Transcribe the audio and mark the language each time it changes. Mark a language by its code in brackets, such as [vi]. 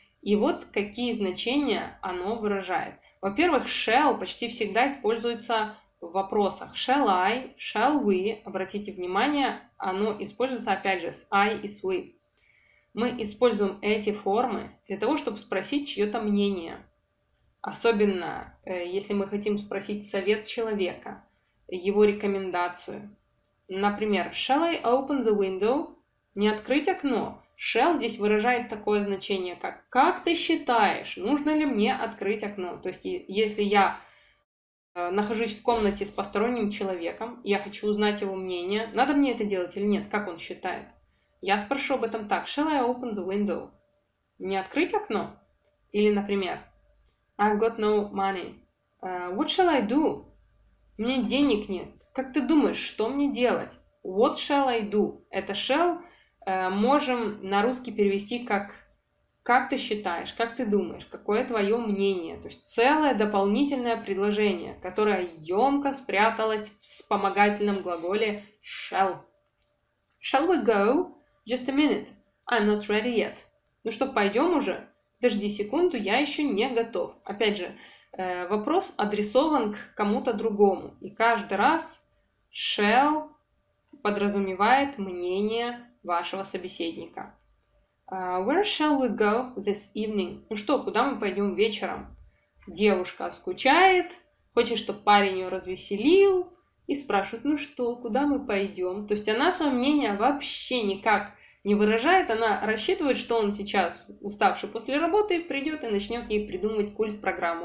[ru] И вот какие значения оно выражает. Во-первых, shall почти всегда используется в вопросах [en] shall I, shall we, [ru] обратите внимание, оно используется опять же с I и с we. Мы используем эти формы для того, чтобы спросить чье-то мнение. Особенно, если мы хотим спросить совет человека, его рекомендацию. Например, [en] shall I open the window? [ru] Не открыть окно. Shall здесь выражает такое значение, как ты считаешь, нужно ли мне открыть окно? То есть, если я нахожусь в комнате с посторонним человеком, я хочу узнать его мнение, надо мне это делать или нет, как он считает. Я спрошу об этом так, [en] shall I open the window? [ru] Не открыть окно? Или, например, [en] I've got no money. What shall I do? [ru] Мне денег нет. Как ты думаешь, что мне делать? [en] What shall I do? [ru] Это shall можем на русский перевести как ты считаешь, как ты думаешь, какое твое мнение? То есть целое дополнительное предложение, которое ёмко спряталось в вспомогательном глаголе shall. [en] Shall we go? Just a minute. I'm not ready yet. [ru] Ну что, пойдем уже? Подожди секунду, я еще не готов. Опять же, вопрос адресован к кому-то другому. И каждый раз shall подразумевает мнение вашего собеседника. [en] Where shall we go this evening? [ru] Ну что, куда мы пойдем вечером? Девушка скучает, хочет, чтобы парень ее развеселил, и спрашивает, ну что, куда мы пойдем? То есть она свое мнение вообще никак не выражает, она рассчитывает, что он сейчас, уставший после работы, придет и начнет ей придумывать культ-программу.